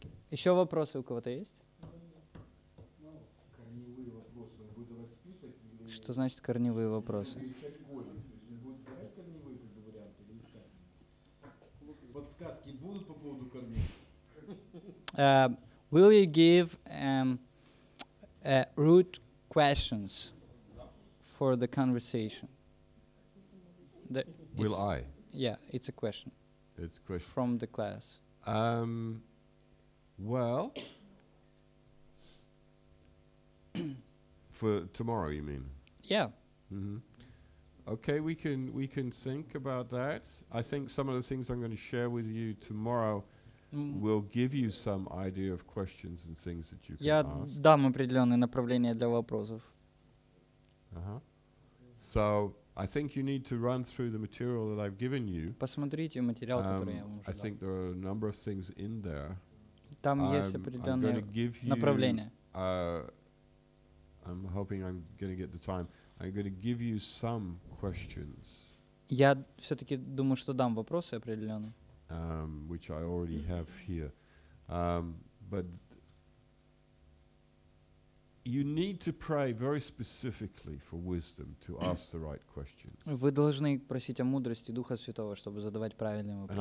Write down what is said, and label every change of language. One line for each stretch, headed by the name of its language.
Russian: Еще вопросы у кого-то есть? Что значит корневые вопросы? Подсказки будут по поводу корней.
English: Will you give root questions for the conversation? Will I? Yeah, it's a question. It's a question from the class. Well. For tomorrow, you mean? Yeah. Mm-hmm. Okay, we can think about that. I think some of the things I'm going to share with you tomorrow will give you some idea of questions and things that you can ask.
Russian: Я дам определенные направления для вопросов. Uh-huh.
English: So I think you need to run through the material that I've given you.
Russian: Посмотрите материал, который я вам уже дал.
English: I think there are a number of things in there.
Russian: Там есть определенные направления.
English: I'm hoping I'm going to get the time. I'm going to give you some questions.
Russian: Я все-таки думаю, что дам вопросы определенные.
English: Which I already have here. But you need to pray very specifically for wisdom to ask the right questions.
Russian: Вы должны просить о мудрости Духа Святого, чтобы задавать правильные вопросы.